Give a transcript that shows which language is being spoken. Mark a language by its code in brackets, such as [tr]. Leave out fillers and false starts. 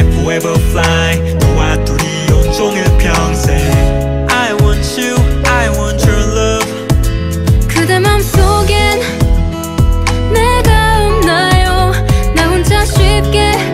[en] ever fly [ko] 너와 둘이 온종일 평생 [en] I want you, I want your love [ko] 그대 맘속엔 내가 없나요 나 혼자 쉽게